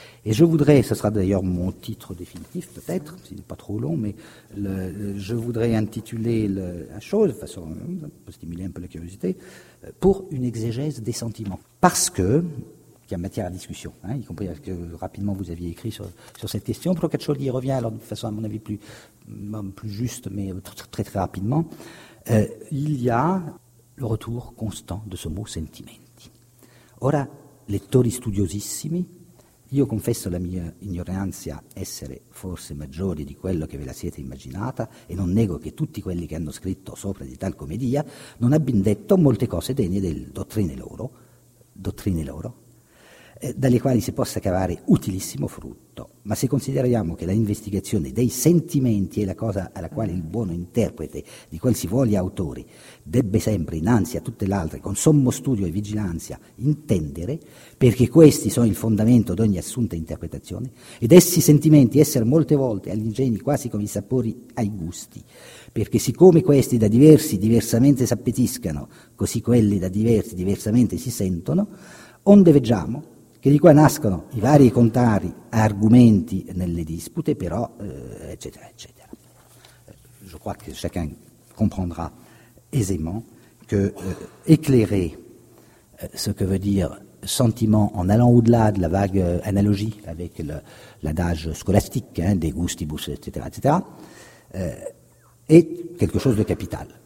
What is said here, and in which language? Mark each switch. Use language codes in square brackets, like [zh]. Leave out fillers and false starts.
[fr] Et je voudrais, ce sera d'ailleurs mon titre définitif peut-être, s'il n'est pas trop long, mais je voudrais intituler la chose, de façon à stimuler un peu la curiosité, pour une exégèse des sentiments. Parce que, il y a matière à discussion, hein, y compris ce que rapidement vous aviez écrit sur cette question. Procaccioli y revient, alors de façon à mon avis plus juste, mais très rapidement. Il y a le retour constant de ce mot sentimenti. [it] Ora, lettori studiosissimi, io confesso la mia ignoranza essere forse maggiore di quello che ve la siete immaginata, e non nego che tutti quelli che hanno scritto sopra di tal commedia non abbin detto molte cose degne del dottrine loro. Dalle quali si possa cavare utilissimo frutto, ma se consideriamo che la investigazione dei sentimenti è la cosa alla quale il buono interprete di qualsivoglia autore debbe sempre, innanzi a tutte le altre, con sommo studio e vigilanza, intendere, perché questi sono il fondamento di ogni assunta interpretazione, ed essi sentimenti essere molte volte agli ingegni quasi come i sapori ai gusti, perché siccome questi da diversi diversamente s'appetiscano, così quelli da diversi diversamente si sentono, onde veggiamo che di qua nascono i vari contrari argomenti nelle dispute, però, eccetera, eccetera. [fr] Je crois que chacun comprendra aisément que éclairer ce que veut dire sentiment en allant au-delà de la vague analogie avec l'adage scolastique, hein, des gustibus, etc., etc., est quelque chose de capital.